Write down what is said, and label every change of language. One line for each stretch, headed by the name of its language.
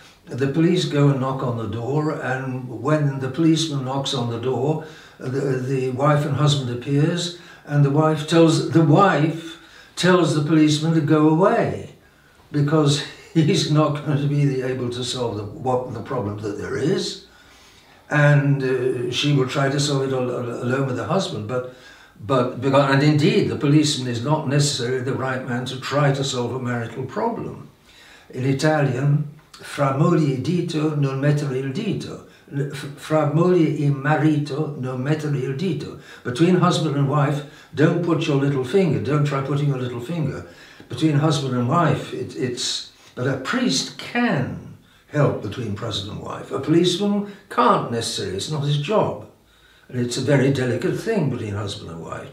English: The police go and knock on the door, and when the policeman knocks on the door, the wife and husband appears, and the wife tells the policeman to go away, because he's not going to be able to solve the problem that there is. And she will try to solve it alone with her husband. And indeed, the policeman is not necessarily the right man to try to solve a marital problem. In Italian,
Italian: fra moglie e dito non mettere il dito. Fra moglie e marito non mettere il dito.
English: Between husband and wife, don't put your little finger. Don't try putting your little finger. Between husband and wife, but a priest can help between husband and wife. A policeman can't necessarily. It's not his job. And it's a very delicate thing between husband and wife.